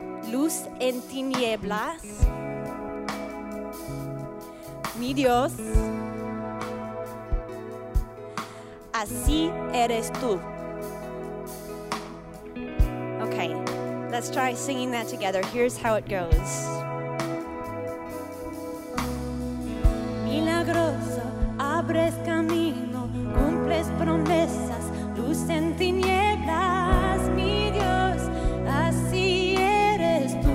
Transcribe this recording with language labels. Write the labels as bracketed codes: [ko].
[es] Luz en tinieblas, mi Dios, así eres tú. [en] Okay, let's try singing that together. Here's how it goes. [es] Milagroso, abres camino, cumples promesas, luz en tinieblas, mi Dios, así eres.